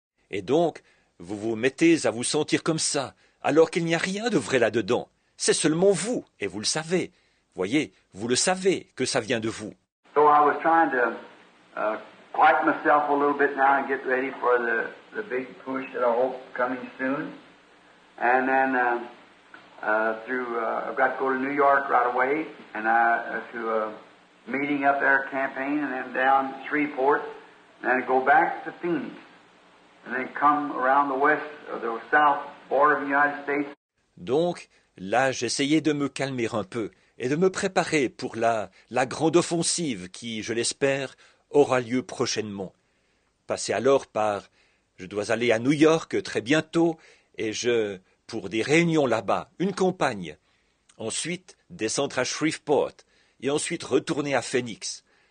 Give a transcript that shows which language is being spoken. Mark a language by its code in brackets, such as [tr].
[fr] Et donc, vous vous mettez à vous sentir comme ça, alors qu'il n'y a rien de vrai là-dedans. C'est seulement vous, et vous le savez. Voyez, vous le savez que ça vient de vous. Donc, je suis en train de... [en] quiet myself a little bit now and get ready for the big push that I hope coming soon. And then I've got to go to New York right away and I to a meeting up there, campaign, and then down Shreveport, and then go back to Phoenix, and then come around the west or the south border of the United States. [fr] Donc là, j'essayais de me calmer un peu et de me préparer pour la grande offensive qui, je l'espère, aura lieu prochainement. Passer alors par... Je dois aller à New York très bientôt et je... Pour des réunions là-bas, une campagne. Ensuite, descendre à Shreveport et ensuite retourner à Phoenix.